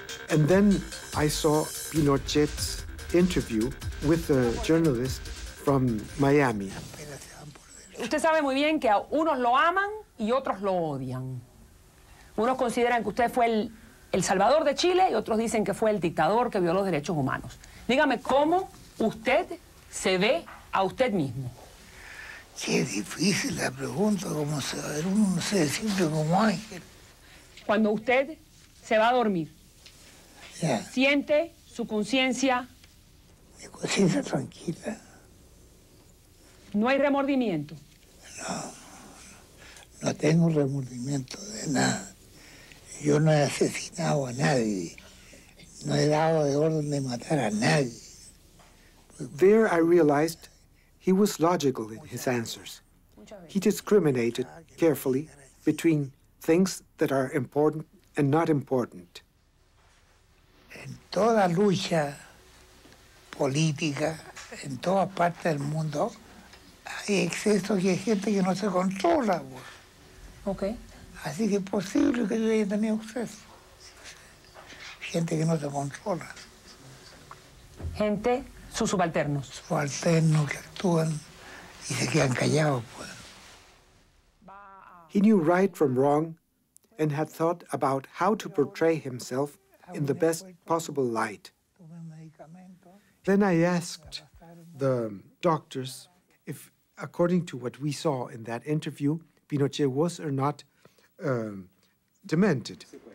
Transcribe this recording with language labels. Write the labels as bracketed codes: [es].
[en] And then I saw Pinochet's interview with a journalist from Miami. [es] Usted sabe muy bien que unos lo aman y otros lo odian. Unos consideran que usted fue el salvador de Chile y otros dicen que fue el dictador que violó los derechos humanos. Dígame, ¿cómo usted se ve a usted mismo? Qué difícil la pregunta, cómo se va a ver uno, no sé, siempre como ángel. Cuando usted se va a dormir, ya. ¿Siente su conciencia? Mi conciencia tranquila. ¿No hay remordimiento? No, no tengo remordimiento de nada. Yo no he asesinado a nadie. No he dado de orden de matar a nadie. [en] There I realized he was logical in his answers. He discriminated carefully between things that are important and not important. [es] En toda lucha política, en toda parte del mundo, hay excesos y hay gente que no se controla. [en] Okay. A [es] Así que es posible que yo haya tenido acceso. Gente que no se controla. Gente, sus subalternos. Subalternos que actúan y se quedan callados, pues. [en] He knew right from wrong and had thought about how to portray himself in the best possible light. Then I asked the doctors if, according to what we saw in that interview, Pinochet was or not demented.